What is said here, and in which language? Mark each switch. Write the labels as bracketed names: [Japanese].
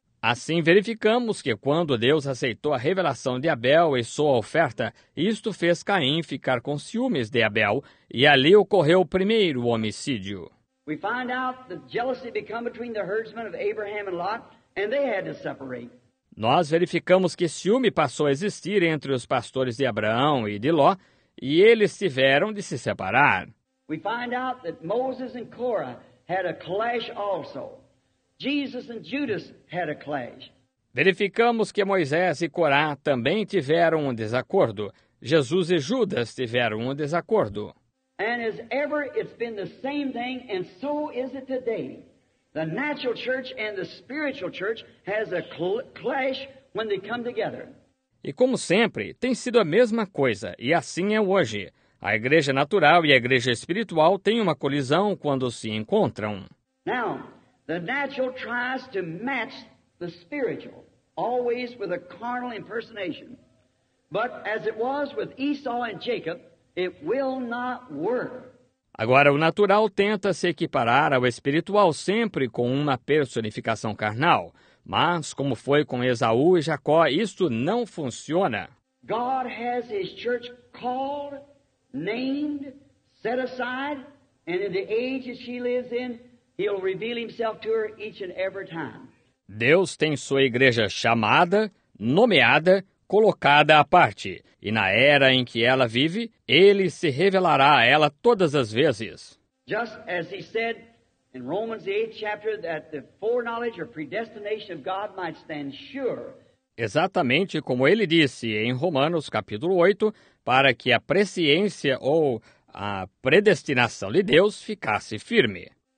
[Portuguese] Assim verificamos que quando Deus aceitou a revelação de Abel e sua oferta, isto fez Caim ficar com ciúmes de Abel, e ali ocorreu o primeiro homicídio. [English] We find out the jealousy became between the herdsmen of Abraham and Lot, and they had to separate. [Portuguese] Nós verificamos que ciúme passou a existir entre os pastores de Abraão e de Ló, e eles tiveram de se separar. [English] We find out that Moses and Korah had a clash also. Jesus and Judas had a clash. [Portuguese] Verificamos que Moisés e Corá também tiveram um desacordo. Jesus e Judas tiveram um desacordo. [English] And as ever, it's been the same thing, and so is it today. The natural church and the spiritual church has a clash when they come together. [Portuguese] E como sempre, tem sido a mesma coisa, e assim é hoje. A igreja natural e a igreja espiritual têm uma colisão quando se encontram. [English] Now, the natural tries to match the spiritual, always with a carnal impersonation. But as it was with Esau and Jacob, it will not work. [Portuguese] Agora, o natural tenta se equiparar ao espiritual sempre com uma personificação carnal. Mas, como foi com Esaú e Jacó, isto não funciona. [English] God has his church called, named, set aside, and in the age that she lives in, he'll reveal himself to her each and every time. [Portuguese] Deus tem sua igreja chamada, nomeada, colocada à parte, e na era em que ela vive, ele se revelará a ela todas as vezes. [English] Just as he said in Romans 8 chapter that the foreknowledge or predestination of God might stand sure. [Portuguese] Exatamente como ele disse em Romanos capítulo 8, para que a presciência ou a predestinação de Deus ficasse firme.